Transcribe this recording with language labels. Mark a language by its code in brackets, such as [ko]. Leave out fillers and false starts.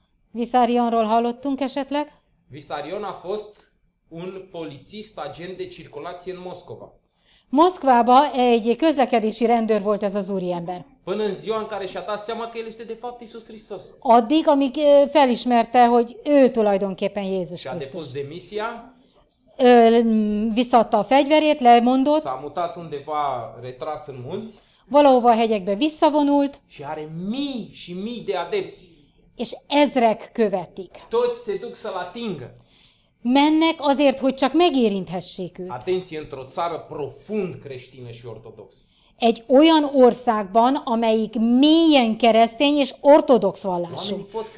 [hu] Visarionról hallottunk esetleg. [ro] Visarion a fost un polițist, agent de circulație în Moscova. [hu] Moszkvában egy közlekedési rendőr volt ez az úriember. [ro] Până în ziua în care și-a dat seama că el este de fapt Iisus Hristos. [hu] Addig, amíg felismerte, hogy ő tulajdonképpen Jézus Krisztus. [ro] Și-a depus demisia. [hu] Visszaadta a fegyverét, lemondott. [ro] S-a mutat undeva retras în munți. [hu] valahova a hegyekbe visszavonult, [ro] și are mii și mii de adepți. [hu] És ezrek követik. [ro] Toți se duc să-l atingă. [hu] Mennek azért, hogy csak megérinthessék őt. [ro] Atenție, într-o țară profund creștină și ortodoxă. [hu] Egy olyan országban, amelyik mélyen keresztény és ortodox vallású.